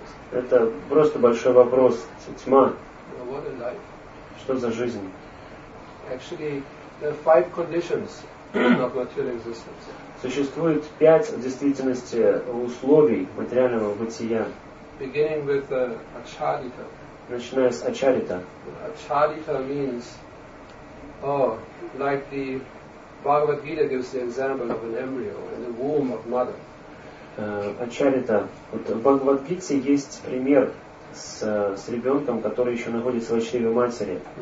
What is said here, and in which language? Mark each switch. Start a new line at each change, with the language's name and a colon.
Russian: Это просто большой вопрос. Тьма.
English: What a life.
Russian: Что за жизнь?
English: Actually, there are five conditions of material existence.
Russian: Существует пять в действительности условий материального бытия.
English: Beginning with acharita.
Russian: Начиная с acharita.
English: Acharita means, like the Bhagavad Gita gives the example of an embryo in the womb of mother.
Russian: Ачарита. Вот в Бхагавад-гите есть пример с ребенком, который еще находится в чреве матери.